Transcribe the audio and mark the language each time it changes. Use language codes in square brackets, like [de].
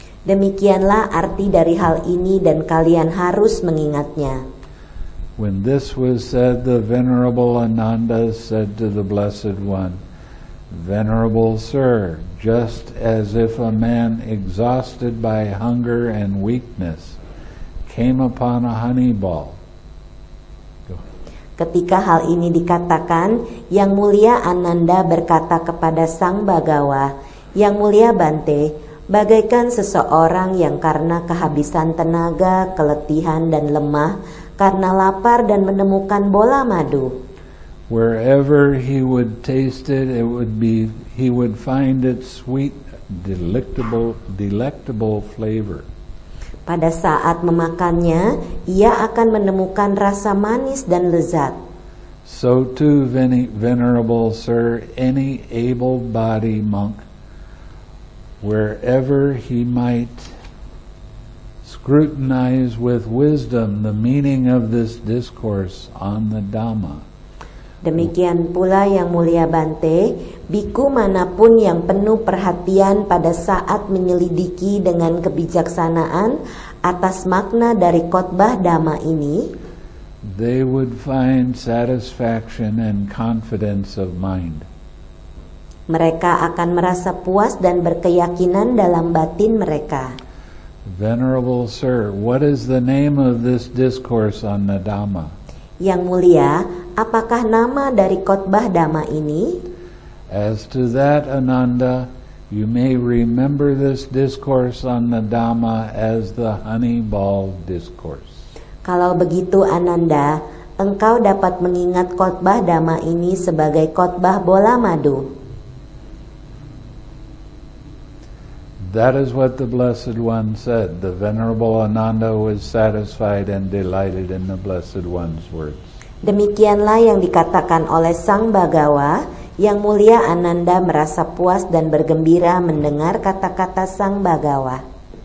[id] Demikianlah arti dari hal ini dan kalian harus mengingatnya. [en] When this was said, the venerable Ananda said to the Blessed One, "Venerable sir, just as if a man exhausted by hunger and weakness came upon a honey ball." [id] Ketika hal ini dikatakan, Yang Mulia Ananda berkata kepada Sang Bhagawa, "Yang Mulia Bante, bagaikan seseorang yang karena kehabisan tenaga, keletihan dan lemah, karena lapar dan menemukan bola madu." [en] Wherever he would taste it, he would find it sweet, delectable flavor. [id] Pada saat memakannya, ia akan menemukan rasa manis dan lezat. [en] So too, venerable sir, any able-bodied monk, wherever he might scrutinize with wisdom the meaning of this discourse on the Dhamma. [id] Demikian pula yang mulia Bante, biku manapun yang penuh perhatian pada saat menyelidiki dengan kebijaksanaan atas makna dari khotbah Dhamma ini, [en] they would find satisfaction and confidence of mind. [id] Mereka akan merasa puas dan berkeyakinan dalam batin mereka. [en] Venerable sir, what is the name of this discourse on the Dhamma? [id] Yang mulia, apakah nama dari khotbah Dhamma ini? [en] As to that, Ananda, you may remember this discourse on the Dhamma as the Honeyball Discourse. [id] Kalau begitu, Ananda, engkau dapat mengingat khotbah Dhamma ini sebagai khotbah bola madu. [en] That is what the Blessed One said. The Venerable Ananda was satisfied and delighted in the Blessed One's words. [id] Demikianlah yang dikatakan oleh Sang Bhagawa, yang mulia Ananda merasa puas dan bergembira mendengar kata-kata Sang Bhagawa.